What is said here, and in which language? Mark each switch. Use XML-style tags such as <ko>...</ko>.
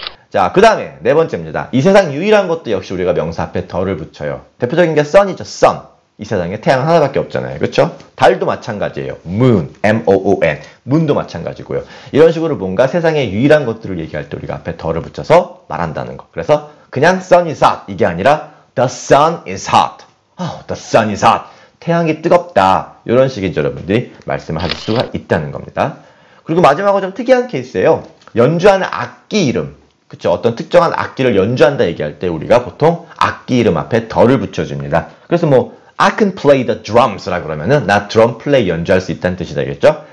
<ko>자, 그 다음에 네 번째입니다. 이 세상 유일한 것도 역시 우리가 명사 앞에 더를 붙여요. 대표적인 게 sun이죠.</ko> <en>sun.</en> <ko>이 세상에 태양 하나밖에 없잖아요. 그렇죠? 달도 마찬가지예요. moon, M-O-O-N. moon도 마찬가지고요. 이런 식으로 뭔가 세상에 유일한 것들을 얘기할 때 우리가 앞에 더를 붙여서 말한다는 거.</ko> <en>그래서 그냥 sun is hot.</en> <ko>이게 아니라</ko> <en>the sun is hot. the sun is hot.</en> <ko>태양이 뜨겁다. 이런 식인지 여러분들이 말씀을 하실 수가 있다는 겁니다. 그리고 마지막으로 좀 특이한 케이스예요. 연주하는 악기 이름. 그렇죠? 어떤 특정한 악기를 연주한다 얘기할 때 우리가 보통 악기 이름 앞에 더를 붙여줍니다. 그래서 뭐</ko> <en>I can play the drums</en> <ko>라고 그러면은 나 드럼 플레이 연주할 수 있다는 뜻이 되겠죠?</ko>